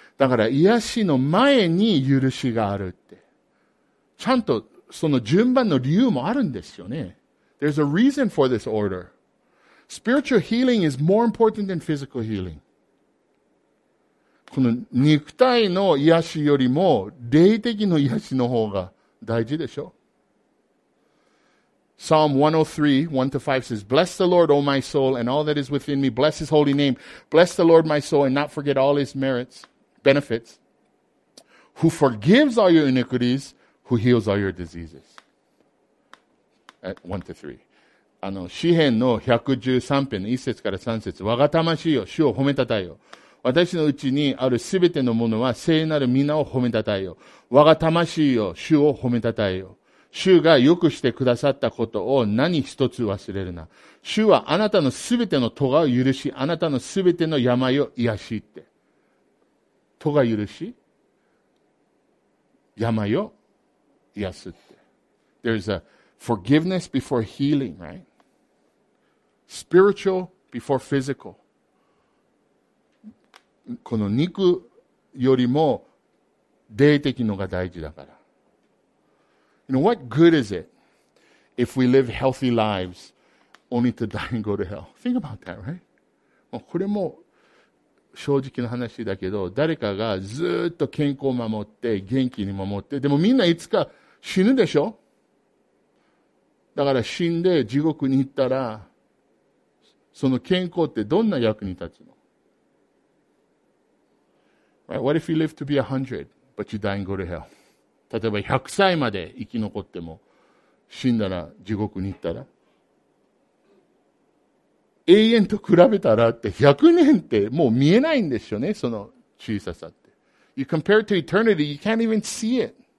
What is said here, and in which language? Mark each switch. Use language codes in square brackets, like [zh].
[ja] だから癒しの前に許しがあるって。ちゃんとその順番の理由もあるんですよね。 [en] There's a reason for this order. Spiritual healing is more important than physical healing. [ja] この肉体の癒しよりも霊的の癒しの方が大事でしょ。 [en] Psalm 103, 1 to 5 says, Bless the Lord, O my soul, and all that is within me. Bless his holy name. Bless the Lord, my soul, and not forget all his merits, benefits. Who forgives all your iniquities,Who heals all your diseases? At 1 to 3. [ja] あの、詩編の113編の1節から3節。我が魂よ、主を褒めたたえよ。私のうちにあるすべてのものは聖なる皆を褒めたたえよ。我が魂よ、主を褒めたたえよ。主が良くしてくださったことを何一つ忘れるな。主はあなたのすべての咎を許し、あなたのすべての病を癒しって。咎許し病を癒すって。 [en] There's a forgiveness before healing, right? Spiritual before physical. [ja] この肉よりも霊的のが大事だから。 [en] You know, what good is it if we live healthy lives only to die and go to hell? Think about that, right? [ja] もうこれも正直な話だけど、誰かがずっと健康を守って、元気に守って、でもみんないつか死ぬでしょ? だから死んで地獄に行ったら、その健康ってどんな役に立つの? [en] Right? What if you live to be 100, but you die and go to hell? [ja] 例えば100歳まで生き残っても、死んだら地獄に行ったら。永遠と比べたらって100年ってもう見えないんですよね、その小ささって。 [en] You compare to eternity, you can't even see it.